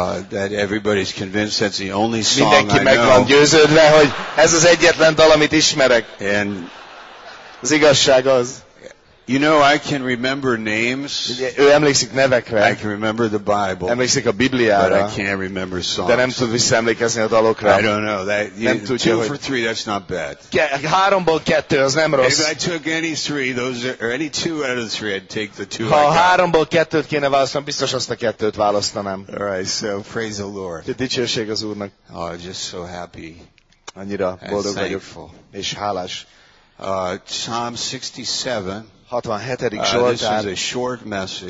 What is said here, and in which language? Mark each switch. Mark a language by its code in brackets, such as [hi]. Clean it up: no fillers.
[en] that everybody's convinced that's the only song I know. [hu] Mindenki meg van győződve, hogy ez az egyetlen dal, amit ismerek. [en] And [hu] az igazság az. [en] You know, I can remember names. [hu] Ő emlékszik nevekre. [en] I can remember the Bible. [hu] Emlékszik a Bibliára. [en] But I can't remember songs. [hu] De nem tud visszaemlékezni a dalokra. [en] I don't know. That, [hu] nem tudja, [en] two [hu] hogy... [en] for three, that's not bad. [hu] Háromból kettő, az nem rossz. [en] If I took any three, those are, or any two out of the three, I'd take the two. [hu] Ha háromból kettőt kéne választanom, biztos azt a kettőt választanám. [en] All right, so praise the Lord. [hu] Dicsőség az Úrnak. [en] Oh, just so happy. [hu] Annyira boldog [en] and [hu] vagyok. [en] Thankful. [hu] És hálás. [en] Psalm 67. [hu] 67. Zsoltár. [en] This is a short message.